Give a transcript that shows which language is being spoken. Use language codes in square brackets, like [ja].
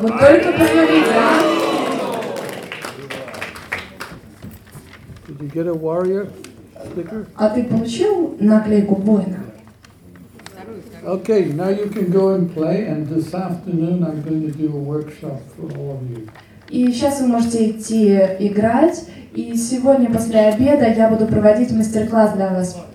[ru] Вот только посмотрите, а? [en] Did you get a warrior sticker? [ru] А ты получил наклейку воина? [en] Okay, now you can go and play, and this afternoon I'm going to do a workshop for all of you. [ru] И сейчас вы можете идти играть, и сегодня после обеда я буду проводить мастер-класс для вас.